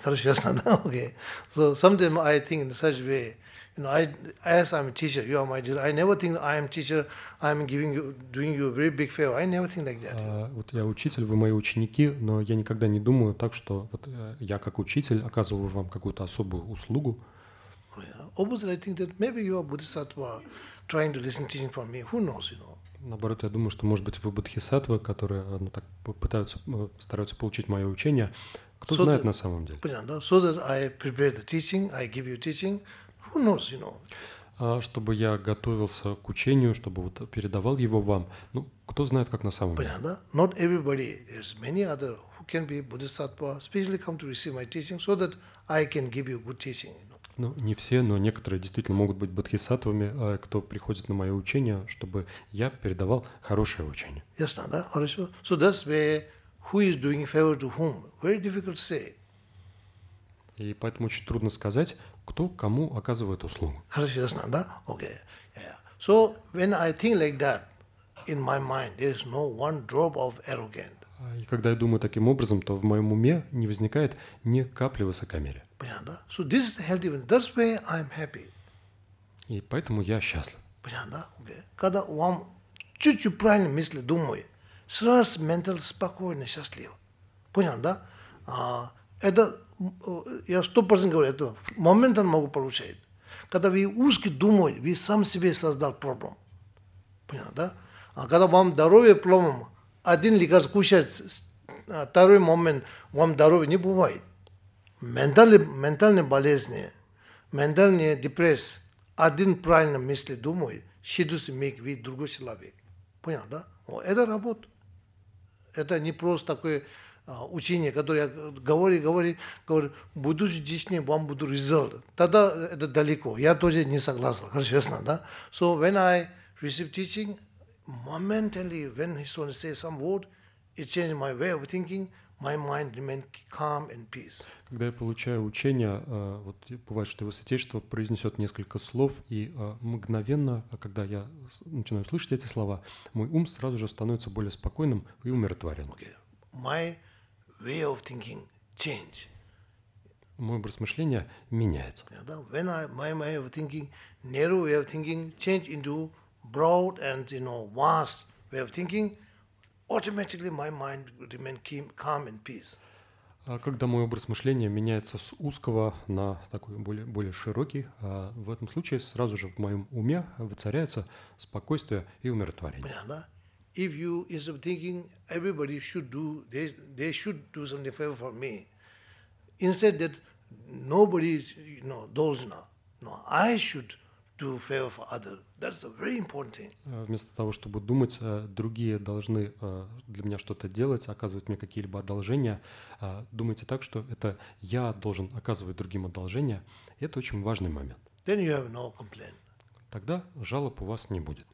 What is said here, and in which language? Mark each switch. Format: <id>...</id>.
<ru>Короче, ясно, да?</ru> <en>Okay. So sometimes I think in such way. You know, as I'm a teacher, you are my teacher. I never think I am teacher. I'm giving you, doing you a very big favor. I never think like that.</en> <ru>Вот я учитель, вы мои ученики, но я никогда не думаю так, что вот я как учитель оказываю вам какую-то особую услугу.</ru> <en>Obviously, I think that maybe you are Bodhisattva trying to listen teaching from me. Who knows, you know?</en> <ru>Наоборот, я думаю, что может быть вы Бодхисаттва, которые так пытаются, стараются получить мое учение. Кто знает на самом деле? Понятно, да?</ru> <en>So that I prepare the teaching, I give you teaching. Who knows, you know?</en> <ru>Чтобы я готовился к учению, чтобы вот передавал его вам. Ну, кто знает, как на самом деле. Понятно, да?</ru> <en>Not everybody. There's many other who can be Bodhisattva, specially come to receive my teaching, so that I can give you good teaching. You know?</en> <ru>Ну, не все, но некоторые действительно могут быть бодхисаттвами, кто приходит на мое учение, чтобы я передавал хорошее учение. Ясно, да? Хорошо.</ru> <en>So that's where who is doing favor to whom. Very difficult to say.</en> <ru>И поэтому очень трудно сказать, кто кому оказывает услугу. Хорошо, ясно, да?</ru> <en>Okay. Yeah. So when I think like that, in my mind, there is no one drop of arrogant.</en> <ru>И когда я думаю таким образом, то в моем уме не возникает ни капли высокомерия.</ru> <en>So this is the healthy way. That's why I'm happy.</en> <ru>И поэтому я счастлив. Понятно? Okay. Когда вам чуть-чуть правильно мысли думаю, сразу ментал спокойно, счастлив. Понятно, да? Это, я 100% говорю, это моментально могу получать. Когда вы узко думаете, вы сам себе создал проблему. Понятно, да? А когда вам здоровье проблем, один лекарство кушать, второй момент, вам здоровье не бывает. Ментальные болезни, ментальные депрессии, один правильно мысли думает, считается миг, вид другой человек. Понял, да? О, это работа. Это не просто такое учение, которое я говорю, будучи дичнее, вам будет результат. Тогда это далеко. Я тоже не согласен, честно, да?</ru> <en>So when I receive teaching, momentarily, when he started to say some word, it changed my way of thinking, my mind remained calm and peace.</en> <ru>Когда я получаю учение, вот бывает, что его святейшество произнесет несколько слов, и мгновенно, когда я начинаю слышать эти слова, мой ум сразу же становится более спокойным и умиротворенным.</ru> <en>Okay. My way of thinking changed.</en> <ru>Мой образ мышления меняется.</ru> <en>Yeah,</en> <ru>да?</ru> <en>When my way of thinking, narrow way of thinking, changed into broad and, you know, vast way of thinking, automatically my mind remained calm and peace.</en> <ru>Когда мой образ мышления меняется с узкого на такой более широкий, в этом случае сразу же в моем уме воцаряется спокойствие и умиротворение.</ru> <en>Yeah,</en> <ru>да?</ru> <en>If you instead of thinking everybody should do they should do something favor for me, instead that nobody, you know,</en> <ru>должен,</ru> <en>no, I should do favor for other. That's a very important thing.</en> <ru>Вместо того, чтобы думать, другие должны для меня что-то делать, оказывать мне какие-либо одолжения, думайте так, что это я должен оказывать другим одолжения. Это очень важный момент.</ru> <en>Then you have no complaint.</en> <ru>Тогда жалоб у вас не будет.</ru>